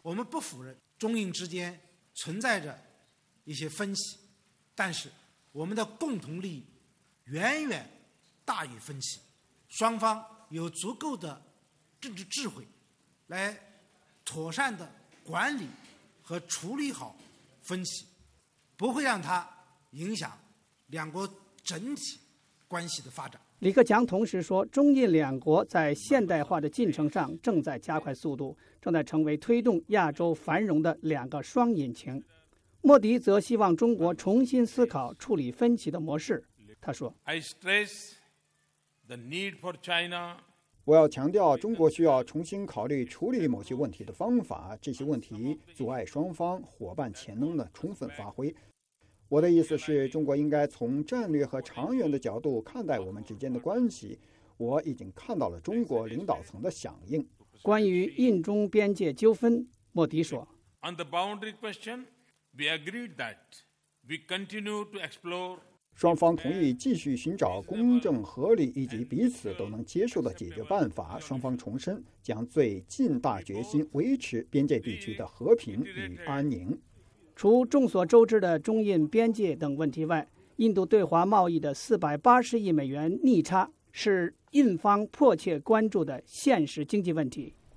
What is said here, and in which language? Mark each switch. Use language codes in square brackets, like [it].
[zh] 我们不否认中印之间存在着一些分歧，但是我们的共同利益远远大于分歧，双方有足够的政治智慧来妥善地管理和处理好分歧，不会让它影响两国整体关系的发展。李克强同时说，中印两国在现代化的进程上正在加快速度，正在成为推动亚洲繁荣的两个双引擎。莫迪则希望中国重新思考处理分歧的模式。他说 [en] I stress the need for China. [zh] 我要强调，中国需要重新考虑处理某些问题的方法，这些问题阻碍双方伙伴潜能的充分发挥。我的意思是，中国应该从战略和长远的角度看待我们之间的关系。我已经看到了中国领导层的响应。关于印中边界纠纷，莫迪说 [en] On the boundary question, we agreed that we continue to explore. [zh] 双方同意继续寻找公正、合理以及彼此都能接受的解决办法。双方重申将最尽大决心维持边界地区的和平与安宁。除众所周知的中印边界等问题外，印度对华贸易的480亿美元逆差是印方迫切关注的现实经济问题。